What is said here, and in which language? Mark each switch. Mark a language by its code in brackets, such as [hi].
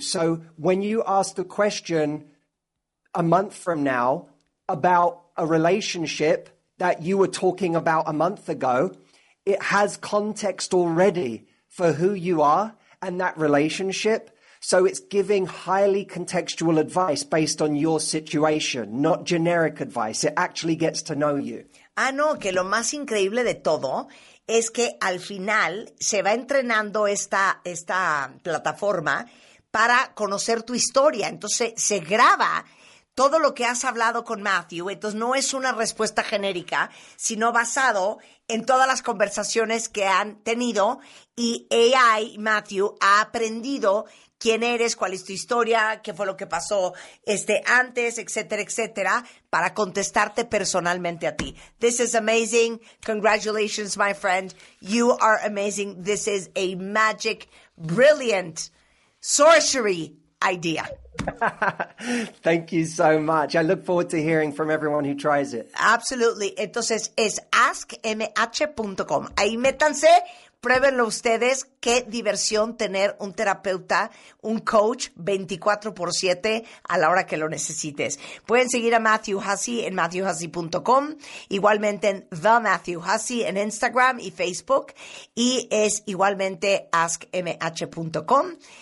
[en] So when you ask the question a month from now about a relationship that you were talking about a month ago, it has context already for who you are and that relationship. So it's giving highly contextual advice based on your situation, not generic advice. It actually gets to know you. [es] Ah, no, que lo más increíble de todo es que al final se va entrenando esta plataforma para conocer tu historia. Entonces se graba todo lo que has hablado con Matthew. Entonces no es una respuesta genérica, sino basado en todas las conversaciones que han tenido. Y AI, Matthew, ha aprendido quién eres, cuál es tu historia, qué fue lo que pasó antes, etcétera, etcétera, para contestarte personalmente a ti. [en] This is amazing. Congratulations, my friend. You are amazing. This is a magic, brilliant sorcery idea. Thank you so much. I look forward to hearing from everyone who tries it. Absolutely. [es] Entonces es askmh.com. Ahí métanse. Pruébenlo ustedes, qué diversión tener un terapeuta, un coach 24/7 a la hora que lo necesites. Pueden seguir a Matthew Hussey en matthewhussey.com, igualmente en The Matthew Hussey en Instagram y Facebook, y es igualmente askmh.com.